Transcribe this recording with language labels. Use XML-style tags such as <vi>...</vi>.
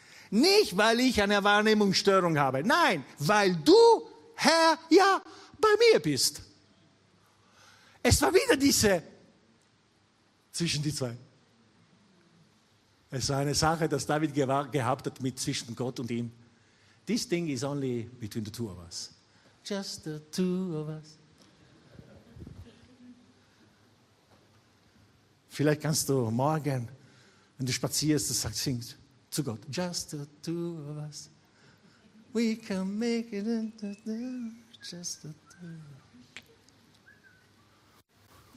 <de>Nicht, weil ich eine Wahrnehmungsstörung habe. Nein, weil du, Herr, ja, bei mir bist. Es war wieder diese zwischen die zwei. Es war eine Sache, dass David gehabt hat mit zwischen Gott und ihm.</de> <en>This thing is only between the two of us. Just the two of us.</en> <de>Vielleicht kannst du morgen, wenn du spazierst, du sagst, singst zu Gott.</de> <en>Just the two of us. We can make it in the dark, just the dark.</en>